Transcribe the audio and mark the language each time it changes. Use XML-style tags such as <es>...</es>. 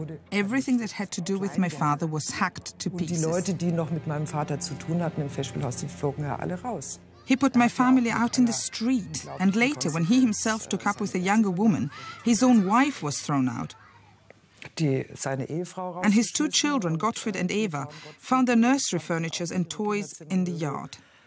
<en>Everything that had to do with my father was hacked to pieces.</en> <de>Die Leute, die noch mit meinem Vater zu tun hatten im Festspielhaus, die flogen ja alle raus.</de> <en>He put my family out in the street, and later, when he himself took up with a younger woman, his own wife was thrown out. And his two children, Gottfried and Eva, found their nursery furniture and toys in the yard.</en>